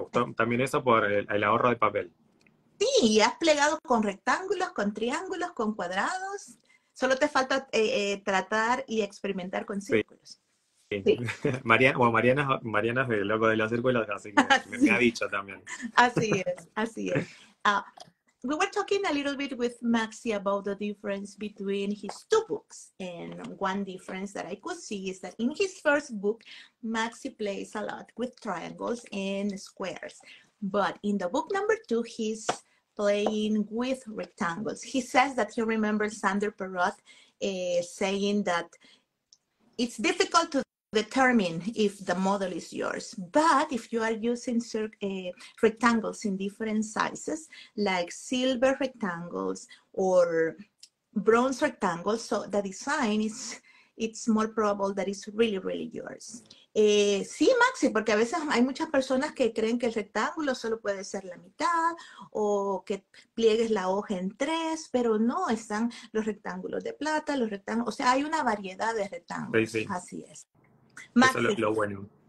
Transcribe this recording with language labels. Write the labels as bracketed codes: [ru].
[es] gustó también eso por el ahorro de papel. Y has plegado con rectángulos, con triángulos, con cuadrados. Solo te falta tratar y experimentar con círculos. Sí. Mariana, bueno, Mariana es el loco de los círculos, así que me ha Así. dicho también. Así es, así es. [en] We were talking a little bit with Maxi about the difference between his two books. And one difference that I could see is that in his first book, Maxi plays a lot with triangles and squares. But in the book number two, he's playing with rectangles. He says that he remembers Sander Perot saying that it's difficult to determine if the model is yours, but if you are using rectangles in different sizes, like silver rectangles or bronze rectangles, so the design is it's more probable that it's really, really yours. [es] Sí, Maxi, porque a veces hay muchas personas que creen que el rectángulo solo puede ser la mitad o que pliegues la hoja en tres, pero no, están los rectángulos de plata, los rectángulos, o sea, hay una variedad de Sí, rectángulos, sí. así es. Eso es Maxi, lo bueno.